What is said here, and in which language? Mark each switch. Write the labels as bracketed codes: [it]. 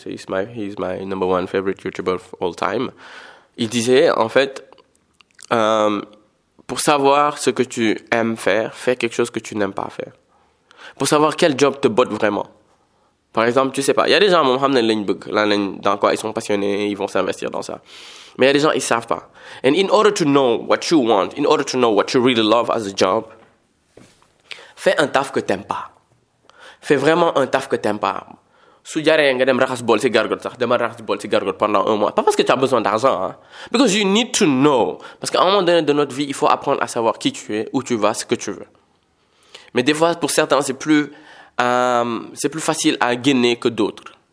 [en] He's my number one favorite YouTuber of all time. [fr] Il disait, en fait, pour savoir ce que tu aimes faire, fais quelque chose que tu n'aimes pas faire. Pour savoir quel job te botte vraiment. Par exemple, tu sais pas. Il y a des gens, dans quoi ils sont passionnés, ils vont s'investir dans ça. Mais il y a des gens, ils savent pas. [en] And in order to know what you want, in order to know what you really love as a job, [fr] fais un taf que t'aimes pas. Fais vraiment un taf que t'aimes pas. Si tu as un bol, c'est gargot, ça. Demain, ras bol, c'est gargot pendant un mois. Pas parce que tu as besoin d'argent, hein. [en] Because you need to know. [fr] Parce qu'à un moment donné de notre vie, il faut apprendre à savoir qui tu es, où tu vas, ce que tu veux. Mais des fois, pour certains, c'est plus facile à gainer que d'autres.